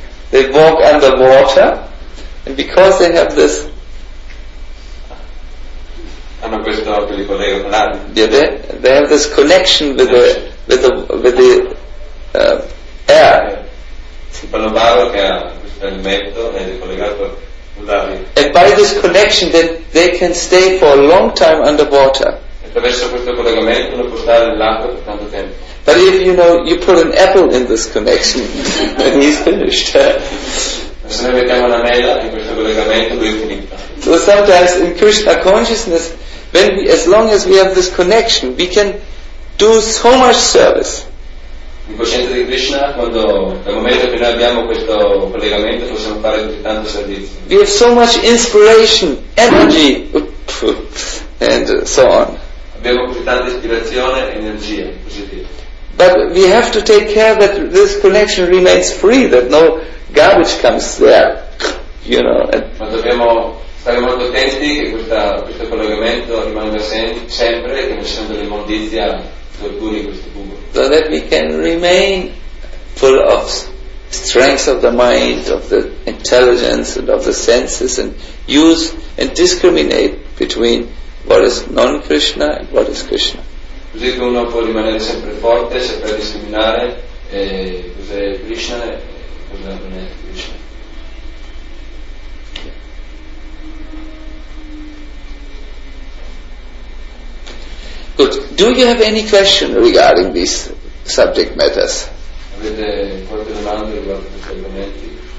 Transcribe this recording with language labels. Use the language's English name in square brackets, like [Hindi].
[English] They walk under water, and because they have this, they have this connection with the air. And by this connection, they can stay for a long time under water. [Italian] Attraverso questo collegamento uno può stare nell'acqua per tanto tempo. [English] But if you put an apple in this connection, then he's finished. [Italian] Se noi mettiamo una mela in questo collegamento, lui è finito. [English] So sometimes in Krishna consciousness, as long as we have this connection, we can do so much service. [Italian] In coscienza di Krishna, quando dal momento che noi abbiamo questo collegamento, possiamo fare così tanto servizio. [English] We have so much inspiration, energy, and so on. [Italian] Abbiamo così tanta ispirazione, energia, positiva. [English] But we have to take care that this connection remains free, that no garbage comes there, And [Italian] ma dobbiamo stare molto attenti che questo collegamento rimanga sempre, che non ci sono delle immondizie alcuni in questo punto. [English] So that we can remain full of strength of the mind, of the intelligence and of the senses, and use and discriminate between what is non-Krishna and what is Krishna. [Italian] Così che uno può rimanere sempre forte, sempre discriminare, cos'è Krishna e cos'è non è Krishna. [English] Do you have any question regarding these subject matters? [Italian] Avete qualche domanda riguardo questi argomenti?